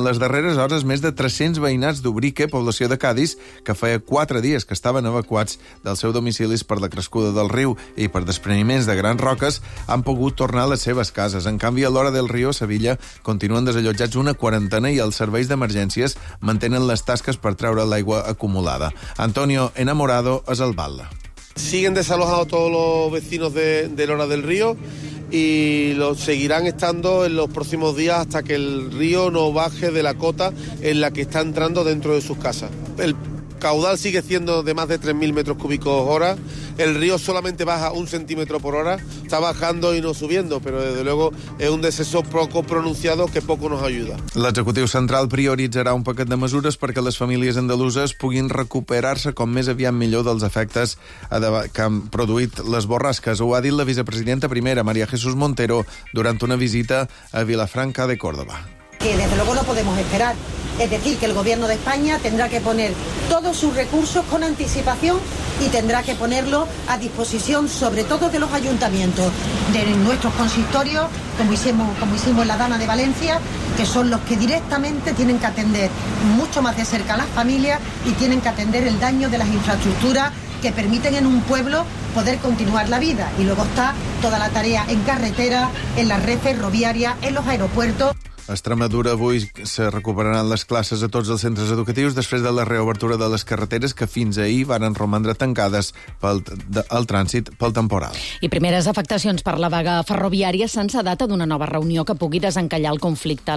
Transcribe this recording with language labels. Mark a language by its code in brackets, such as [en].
[ca] En les darreres hores, més de 300 veïnats d'Ubrique, població de Cádiz, que feia 4 dies que estaven evacuats dels seus domicilis per la crescuda del riu i per despreniments de grans roques, han pogut tornar a les seves cases. En canvi, a l'hora del riu, a Sevilla, continuen desallotjats una quarantena i els serveis d'emergències mantenen les tasques per treure l'aigua acumulada. Antonio Enamorado és el balde. [es] Siguen desalojados todos los vecinos de Lora del Río y los seguirán estando en los próximos días hasta que el río no baje de la cota en la que está entrando dentro de sus casas. El caudal sigue siendo de más de 3.000 metros cúbicos hora, el río solamente baja un centímetro por hora, está bajando y no subiendo, pero desde luego es un deceso poco pronunciado que poco nos ayuda. [ca] L'executiu central prioritzarà un paquet de mesures perquè les famílies andaluses puguin recuperar-se com més aviat millor dels efectes que han produït les borrasques. Ho ha dit la vicepresidenta primera, María Jesús Montero, durant una visita a Vilafranca de Córdoba. [es] Que desde luego no podemos esperar. Es decir, que el gobierno de España tendrá que poner todos sus recursos con anticipación y tendrá que ponerlo a disposición, sobre todo de los ayuntamientos, de nuestros consistorios, como hicimos la Dana de Valencia, que son los que directamente tienen que atender mucho más de cerca a las familias y tienen que atender el daño de las infraestructuras que permiten en un pueblo poder continuar la vida. Y luego está toda la tarea en carretera, en la red ferroviaria, en los aeropuertos. [ca] A Extremadura avui se recuperaran les classes a tots els centres educatius després de la reobertura de les carreteres que fins ahir varen romandre tancades pel trànsit pel temporal. I primeres afectacions per la vaga ferroviària sense data d'una nova reunió que pugui desencallar el conflicte.